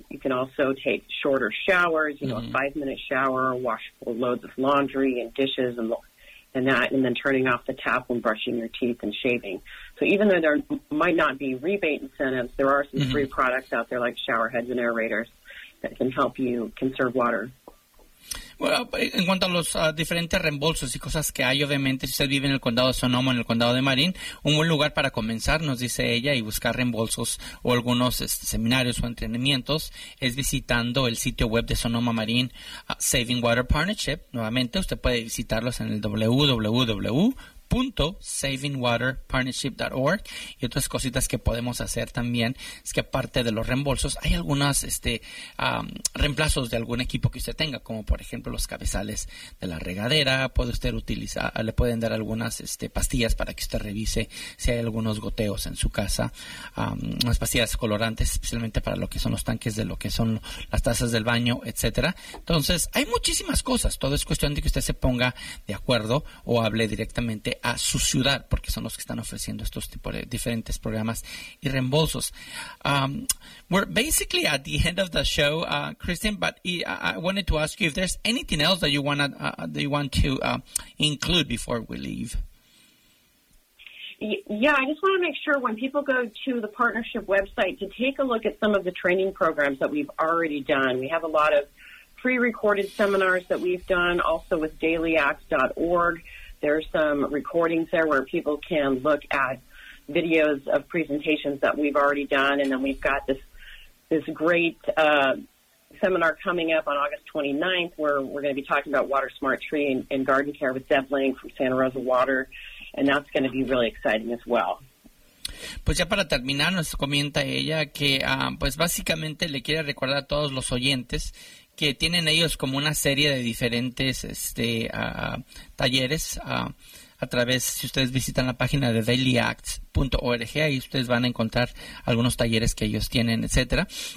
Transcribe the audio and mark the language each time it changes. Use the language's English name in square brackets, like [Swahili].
[English] You can also take shorter showers, you know, a five-minute shower, wash full loads of laundry and dishes and then turning off the tap when brushing your teeth and shaving. So even though there might not be rebate incentives, there are some free products out there like shower heads and aerators that can help you conserve water. [Spanish] Bueno, en cuanto a los diferentes reembolsos y cosas que hay, obviamente, si usted vive en el condado de Sonoma, en el condado de Marin, un buen lugar para comenzar, nos dice ella, y buscar reembolsos o algunos seminarios o entrenamientos es visitando el sitio web de Sonoma Marin Saving Water Partnership. Nuevamente, usted puede visitarlos en el www.savingwaterpartnership.org. Y otras cositas que podemos hacer también es que aparte de los reembolsos hay algunas reemplazos de algún equipo que usted tenga, como por ejemplo los cabezales de la regadera. Puede usted utilizar, le pueden dar algunas pastillas para que usted revise si hay algunos goteos en su casa, unas pastillas colorantes especialmente para lo que son los tanques de lo que son las tazas del baño, etcétera. Entonces hay muchísimas cosas, todo es cuestión de que usted se ponga de acuerdo o hable directamente a su ciudad, porque son los que están ofreciendo estos tipos de diferentes programas y reembolsos. [English] We're basically at the end of the show, Kristen, but I wanted to ask you if there's anything else that you want to include before we leave. Yeah, I just want to make sure when people go to the partnership website to take a look at some of the training programs that we've already done. We have a lot of pre-recorded seminars that we've done, also with dailyacts.org. There are some recordings there where people can look at videos of presentations that we've already done. And then we've got this great seminar coming up on August 29th where we're going to be talking about water smart tree and garden care with Deb Ling from Santa Rosa Water. And that's going to be really exciting as well. [Spanish] Pues ya para terminar, nos comenta ella que pues básicamente le quiere recordar a todos los oyentes que tienen ellos como una serie de diferentes talleres a través, si ustedes visitan la página de dailyacts.org, ahí ustedes van a encontrar algunos talleres que ellos tienen, etcétera.